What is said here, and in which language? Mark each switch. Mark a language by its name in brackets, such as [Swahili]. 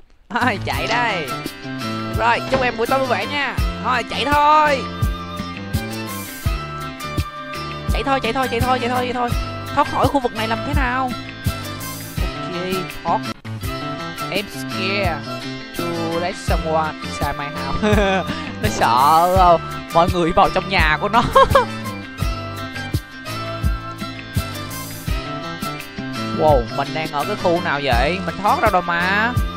[Vietnamese] Thôi chạy đây. Rồi chúc em buổi tối vui vẻ nha. Thôi chạy thôi. Chạy thôi. Thoát khỏi khu vực này làm thế nào? Ok, thoát. [English] I'm scared to let someone inside my house. [Vietnamese] Nó sợ không? Mọi người vào trong nhà của nó. Wow, mình đang ở cái khu nào vậy? Mình thoát ra rồi mà.